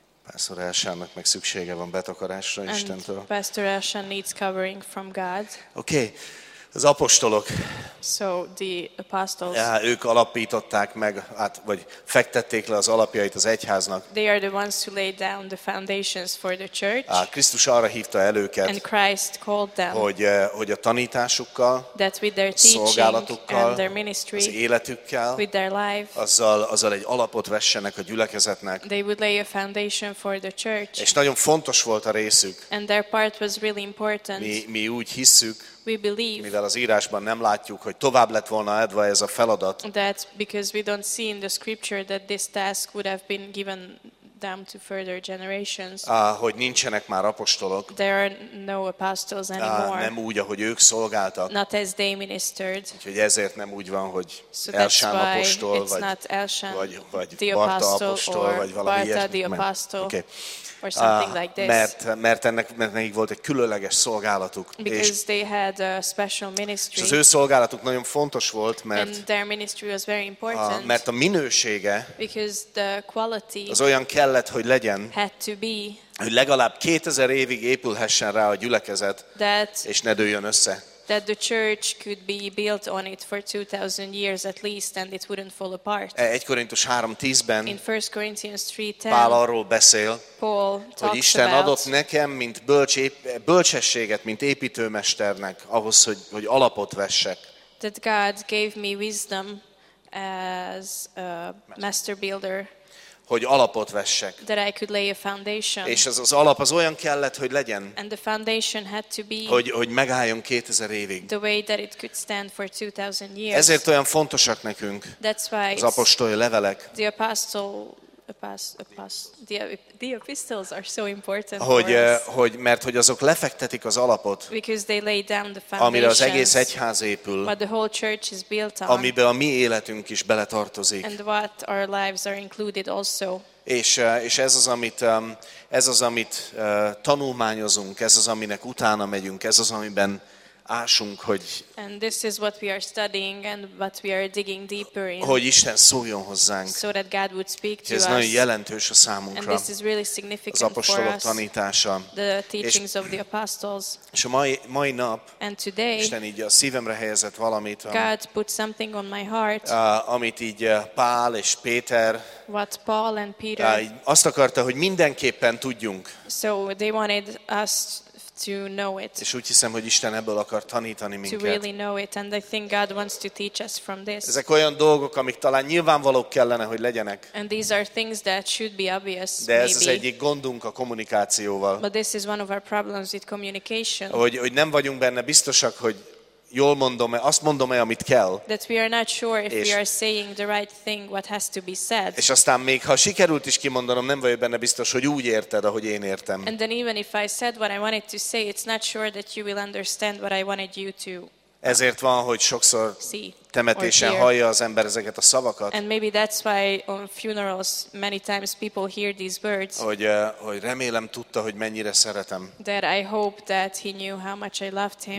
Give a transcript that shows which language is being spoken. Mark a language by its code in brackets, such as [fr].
[hu] Pastor Elshannak meg szüksége van betakarásra Istentől. [en] Pastor Elshan needs covering from God. [hu] Okay. Az apostolok. [en] So the apostles. [hu] Ja, ők alapították meg, hát vagy fektették le az alapjait az egyháznak. [en] They are the ones who laid down the foundations for the church. [hu] Ja, Krisztus arra hívta el őket. [en] And Christ called them. [hu] Hogy a tanításukkal, [en] that with their teaching, [hu] szolgálatukkal, [en] and their ministry, [hu] az életükkel, [en] with their life, [hu] azzal egy alapot vessenek a gyülekezetnek. [en] They would lay a foundation for the church. [hu] És nagyon fontos volt a részük. [en] And their part was really important. [hu] Mi úgy hisszük. [en] We believe, [hu] mivel az írásban nem látjuk, hogy tovább lett volna adva ez a feladat. [en] That because we don't see in the scripture that this task would have been given them to further generations. [hu] Hogy nincsenek már apostolok. [en] There are no apostles anymore. [hu] Nem úgy, ahogy ők szolgáltak. [en] Not as they ministered. [hu] Úgyhogy ezért nem úgy van, hogy [en] so [hu] Elshan apostol vagy Barta apostol vagy valami ilyesmi. [en] Or like this. [hu] Mert nekik volt egy különleges szolgálatuk. [en] Because [hu] és [en] they had a special ministry. [hu] És az ő szolgálatuk nagyon fontos volt, mert [en] and their ministry was very important. [hu] Mert a minősége, [en] because the quality, [hu] az olyan kellett, hogy legyen, [en] had to be, [hu] hogy legalább 2000 évig épülhessen rá a gyülekezet, [en] that, [hu] és ne dőljön össze. [en] That the church could be built on it for 2000 years at least and it wouldn't fall apart. [hu] 1 Korintus 3:10-ben [en] in 1 Corinthians 3:10 [hu] Pál arról beszél, [en] Paul [hu] hogy Isten adott nekem mint bölcsességet mint építőmesternek ahhoz hogy alapot vessek. [en] That God gave me wisdom as a master builder. [hu] hogy alapot vessek. [en] That I could lay a foundation. [hu] És ez az alap az olyan kellett, hogy legyen. [en] And the foundation had to be. [hu] Hogy megálljon 2000 évig. [en] The way that it could stand for 2000 years. [hu] Ezért olyan fontosak nekünk. [en] That's why. [hu] Az apostoli levelek. [en] The epistles are so important. [hu] Hogy mert hogy azok lefektetik az alapot. [en] Because they lay down the foundation. [hu] Amire az egész egyház épül. [en] But the whole church is built on. [hu] Amiben a mi életünk is beletartozik. [en] And what our lives are included also. [hu] És ez az amit tanulmányozunk, ez az aminek utána megyünk, ez az amiben ásunk, hogy [en] and this is what we are studying and what we are digging deeper in. [hu] Hogy Isten szóljon hozzánk. [en] So that God would speak to us. [hu] Ez nagyon jelentős a számunkra. [en] And this is really significant for us. [hu] Az apostolok tanítása. [en] The teachings of the apostles. [hu] És a mai nap [en] and today, [hu] Isten így a szívemre helyezett valamit. [en] God put something on my heart. [hu] Amit így Pál és Péter [en] what Paul and Peter [hu] azt akarta, hogy mindenképpen tudjunk. [en] So they wanted us to know it. [hu] És úgy hiszem, hogy Isten ebből akar tanítani minket. [en] To really know it, and I think God wants to teach us from this. [hu] Ezek olyan dolgok, amik talán nyilvánvalók kellene, hogy legyenek. [en] And these are things that should be obvious. [hu] De ez az egyik gondunk a kommunikációval. [en] But this is one of our problems with communication. [hu] Hogy nem vagyunk benne biztosak, hogy jól mondom-e, azt mondom-e, amit kell. [en] That we are not sure if we are saying the right thing, what has to be said. [hu] És aztán még ha sikerült is kimondanom, nem vagyok benne biztos, hogy úgy érted, ahogy én értem. [en] And then even if I said what I wanted to say, it's not sure that you will understand what I wanted you to. [hu] Ezért van, hogy sokszor temetésen hallja az ember ezeket a szavakat. [en] And maybe that's why on funerals many times people hear these words. [hu] Hogy remélem tudta, hogy mennyire szeretem. [en] That I hope that he knew how much I loved him.